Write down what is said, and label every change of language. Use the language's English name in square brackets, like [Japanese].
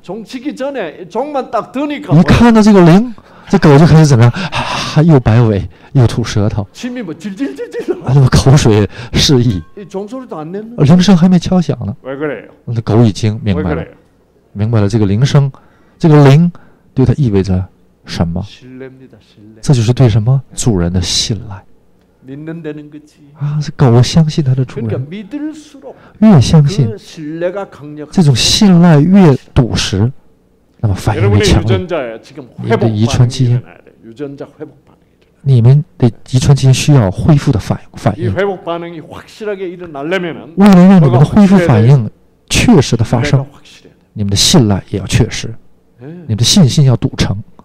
[Korean] 종치기 전에 종만 딱 뜨니까. [Chinese] 你看到这个铃，这狗就开始怎么样？啊，又摆尾，又吐舌头。 [Korean] 침이 뭐 질질질질. 아, 뭐 [Chinese] 口水示意. [Korean] 종소리도 안 내는. [Chinese] 铃声还没敲响呢. [Korean] 왜 그래요? [Chinese] 那 狗已经明白了，明白了这个铃声，这个铃对它意味着什么？ [Korean] 신뢰입니다, 신뢰. [Chinese] 这就是对什么主人的信赖。 [Korean] 믿는다는 거지. [Chinese] 아, 这狗相信它的主人. [Korean] 그러니까 믿을수록 [Chinese] 越相信, [Korean] 그 신뢰가 강력. [Chinese] 这种信赖越笃实, 那么反应越强烈。你的遗传基因, [Korean] 유전자 회복 반응이 일어나. [Chinese] 你们的遗传基因需要恢复的反应。 [Korean] 이 회복 반응이 확실하게 일어나려면, [Chinese] 为了让你们的恢复反应确实的发生, 你们的信赖也要确实, 你们的信心要笃成。